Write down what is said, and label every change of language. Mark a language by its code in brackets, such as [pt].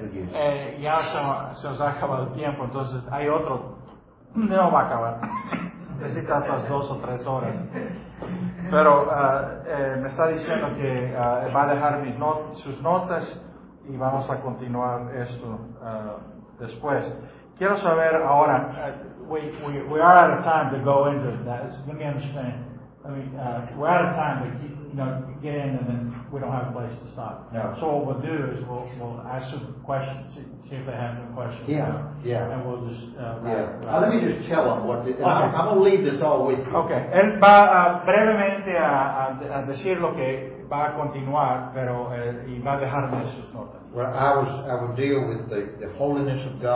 [en] to you. [es] Ya se nos ha acabado el tiempo, entonces hay otro. No va a acabar. Necesita otras dos o tres horas. Pero me está diciendo que va a dejar sus notas y vamos a continuar esto después. Quiero saber ahora. [en] We are out of time to go into that. Let me understand. We're out of time. We keep, get in, and then we don't have a place to stop. No. So what we'll do is we'll ask some questions, see if they have any questions. Yeah. And we'll just. Let me just tell them what. Okay. I'm gonna leave this all with you. Okay. [es] Él va brevemente a decir lo que va a continuar, pero y va a dejarme sus notas. [en] Well, I will deal with the holiness of God.